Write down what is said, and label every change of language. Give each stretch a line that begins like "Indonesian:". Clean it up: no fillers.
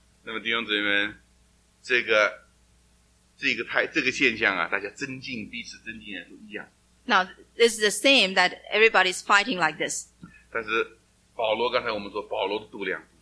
Chinese: 那么弟兄姊妹们，这个现象啊，大家增进彼此增进啊，都一样。
English: Now this is the same that everybody's fighting like this.
Chinese: 但是保罗刚才我们说保罗的度量。